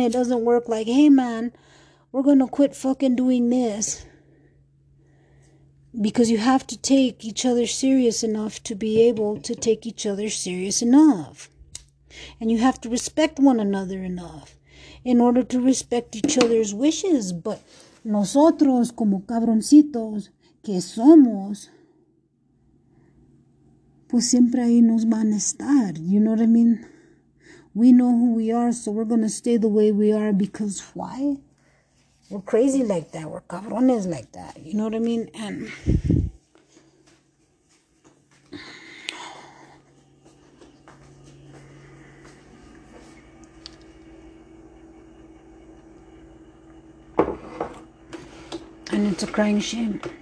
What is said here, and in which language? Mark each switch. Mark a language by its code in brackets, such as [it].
[en] It doesn't work like, hey, man, we're going to quit fucking doing this. Because you have to take each other serious enough to be able to take each other serious enough. And you have to respect one another enough in order to respect each other's wishes. [es] But nosotros como cabroncitos que somos, pues siempre ahí nos van a estar, [en] you know what I mean? We know who we are, so we're going to stay the way we are, because why? We're crazy like that, we're cabrones like that, you know what I mean? And it's a crying shame.